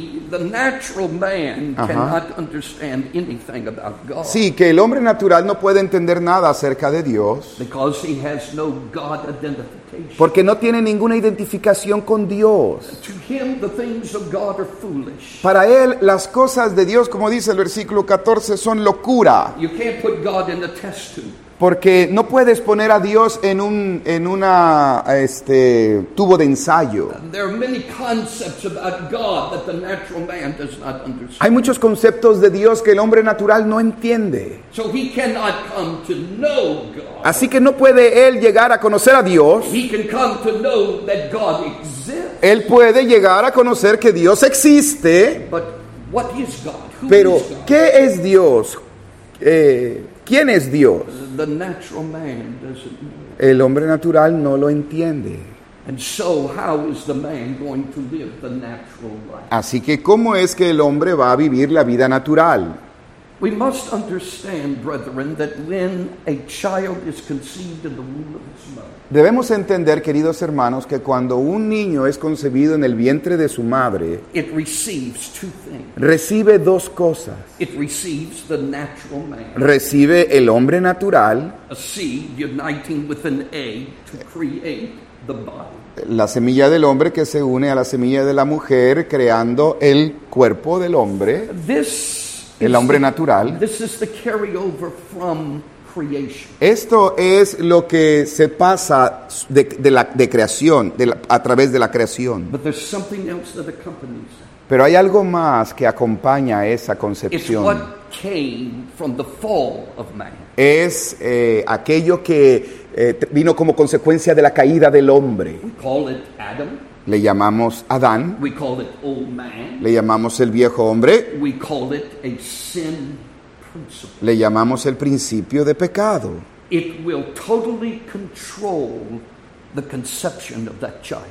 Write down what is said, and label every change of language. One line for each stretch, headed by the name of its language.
English: The natural man cannot understand anything about God.
Spanish: Sí, que el hombre natural no puede entender nada acerca de Dios.
English: Because he has no God identification.
Spanish: Porque no tiene ninguna identificación con Dios.
English: To him, the things of God are foolish.
Spanish: Para él, las cosas de Dios, como dice el versículo 14, son locura.
English: You can't put God in the test tube.
Spanish: Porque no puedes poner a Dios en un en una este tubo de ensayo.
English: There are many concepts about God that the natural man does not understand.
Spanish: Hay muchos conceptos de Dios que el hombre natural no entiende.
English: So he cannot come to know God.
Spanish: Así que no puede él llegar a conocer a Dios.
English: He can come to know that God exists.
Spanish: Él puede llegar a conocer que Dios existe.
English: But what is God? Who
Spanish: pero
English: is God?
Spanish: ¿Qué es Dios? ¿Quién es Dios?
English: The natural man doesn't know.
Spanish: El hombre natural no lo entiende.
English: And so how is the man going to live the natural life?
Spanish: Así que ¿cómo es que el hombre va a vivir la vida natural?
English: We must understand, brethren, that when a child is conceived in the womb of his mother.
Spanish: Debemos entender, queridos hermanos, que cuando un niño es concebido en el vientre de su madre,
English: it receives two things.
Spanish: Recibe dos cosas.
English: It receives the natural man.
Spanish: Recibe el hombre natural.
English: A seed uniting with an egg to create the body.
Spanish: La semilla del hombre que se une a la semilla de la mujer creando el cuerpo del hombre. El hombre natural.
English: This is the carryover from creation.
Spanish: Esto es lo que se pasa de la creación, a través de la creación.
English: But there's something else that accompanies.
Spanish: Pero hay algo más que acompaña esa concepción.
English: It's what came from the fall of man.
Spanish: Es aquello que vino como consecuencia de la caída del hombre.
English: We call it Adam.
Spanish: Le llamamos Adán.
English: We call it old man.
Spanish: Le llamamos el viejo hombre.
English: We call it a sin principle.
Spanish: Le llamamos el principio de pecado.
English: It will totally control the conception of that child.